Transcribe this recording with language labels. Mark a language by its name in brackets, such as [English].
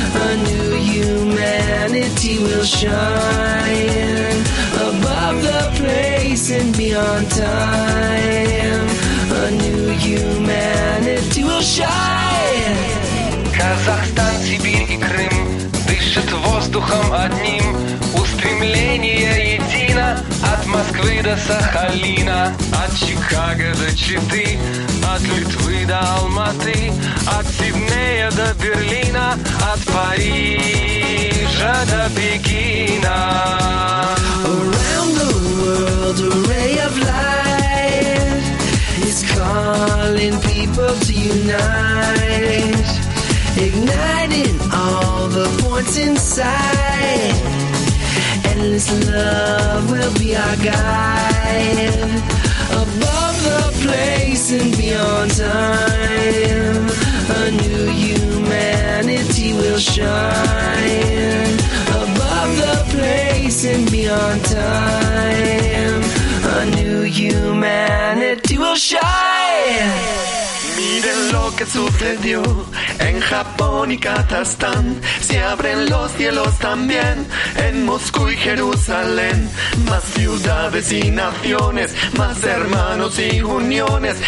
[English] A new humanity will shine, above the place and beyond time. A new humanity will shine. [Russian] Kazakhstan, Sibir and Krim дышит воздухом одним. Устремление едино от Москвы до Сахалина, от Чикаго до Читы, от Литвы до Алматы, от Сиднея до Берлина, от Парижа до Пекина. [English] Around the world a ray of light is calling people to unite, igniting all the points inside. Endless love will be our guide, above the place and beyond time. A new humanity will shine, above the place and beyond time. A new humanity will shine. [Spanish] Miren lo que sucedió en Japón y Kazajstán. Se abren los cielos también en Moscú y Jerusalén. Más ciudades y naciones, más hermanos y uniones.